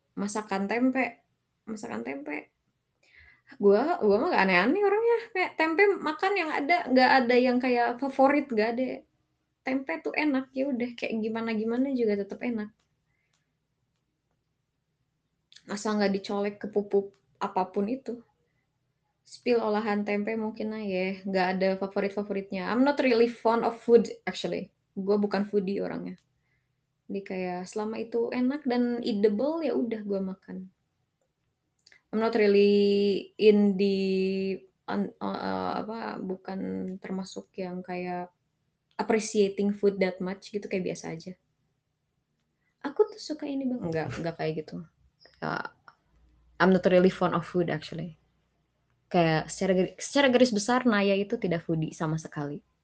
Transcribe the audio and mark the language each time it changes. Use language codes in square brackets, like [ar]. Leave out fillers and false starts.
[id] Masakan tempe gue mah gak aneh-aneh orangnya, kayak tempe makan yang ada, nggak ada yang kayak favorit, gak ada. Tempe tuh enak, ya udah, kayak gimana gimana juga tetap enak. asal nggak dicolek ke pupuk apapun itu. Spill olahan tempe mungkin aja ya. Nggak ada favorit-favoritnya. [en] I'm not really fond of food, actually. [id] Gue bukan foodie orangnya. Jadi kayak selama itu enak dan eatable, ya udah gue makan. [en] I'm not really in the [id] apa, bukan termasuk yang kayak [en] appreciating food that much [id] gitu, kayak biasa aja. Aku tuh suka ini bang. Enggak kayak gitu. [en] I'm not really fond of food actually. [id] Kayak secara garis besar Naya itu tidak foodie sama sekali.